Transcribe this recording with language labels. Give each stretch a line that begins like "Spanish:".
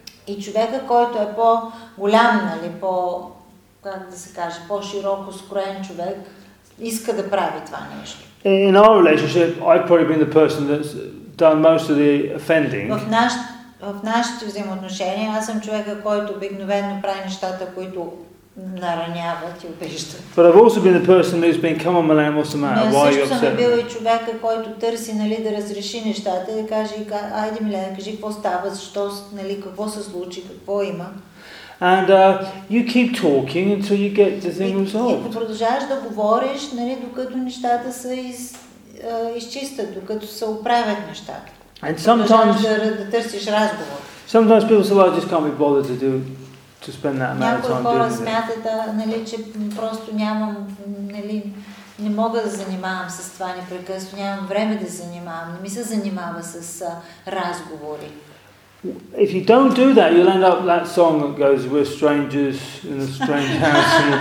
Bulgarian: И човека, който е по-голям, нали, по, как да се каже, по-широко скроен човек, иска да прави това нещо.
English: In our relationship, I've probably been the person that's done most of the offending.
Bulgarian: В нашите взаимоотношения, аз съм човека, който обикновено прави нещата, които нараняват и обиждат.
English: But I've also been the person who's been, come on, Milan, what's the matter? Why are you upset?
Bulgarian: Но също съм бил и човека, който търси, нали, да разреши нещата, да каже, айде, Милан, кажи, какво става, защо, нали, какво се случи, какво има.
English: And you keep talking until you get the thing resolved.
Bulgarian: И продължаваш да говориш, нали, докато нещата се изчистят, докато се оправят нещата.
English: And sometimes
Bulgarian: да търсиш разговор.
English: Sometimes people say, well, I just can't be bothered to spend that amount of time doing it.
Bulgarian: Някои хора смятат, нали, че просто нямам, нали, не мога да занимавам с това непрекъснато, нямам време да занимавам, не ми се занимава с разговори.
English: If you don't do that, you'll end up that song that goes, "We're strangers in a strange house."